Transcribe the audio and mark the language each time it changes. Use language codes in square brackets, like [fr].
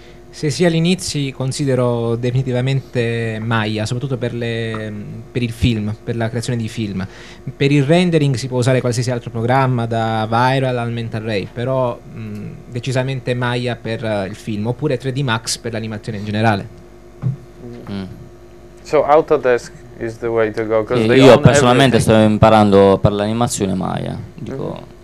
[it] Se sia all'inizio, considero definitivamente Maya, soprattutto per il film, per la creazione di film. Per il rendering si può usare qualsiasi altro programma, da Viral al Mental Ray, però decisamente Maya per il film, oppure 3D Max per l'animazione in generale. [en] So Autodesk is the way to go, because [it] io personalmente sto imparando per l'animazione Maya. Dico,